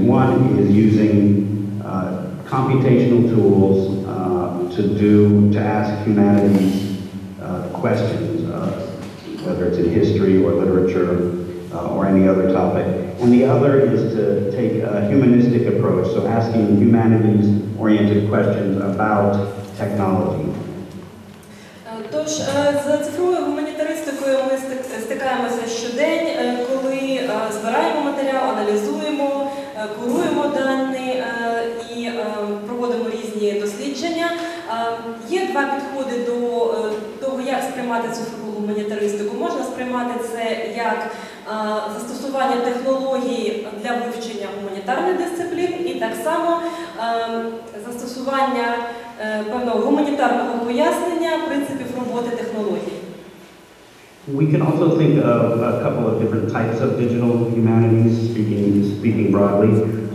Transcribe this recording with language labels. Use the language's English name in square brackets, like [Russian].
[English] One is using computational tools to ask humanities questions, whether it's in history or literature or any other topic. And the other is to take a humanistic approach, so asking humanities-oriented questions about technology. [Ukrainian] Тож, з цифровою гуманітаристикою ми стикаємося щодень, коли збираємо матеріал, аналізуємо, куруємо дані і проводимо різні дослідження. Є два підходи до того, як сприймати цифрову гуманітаристику. Можна сприймати це як застосування технологій для вивчення гуманітарних дисциплін і так само застосування певного гуманітарного пояснення принципів роботи технологій. [English] We can also think of a couple of different types of digital humanities, speaking broadly.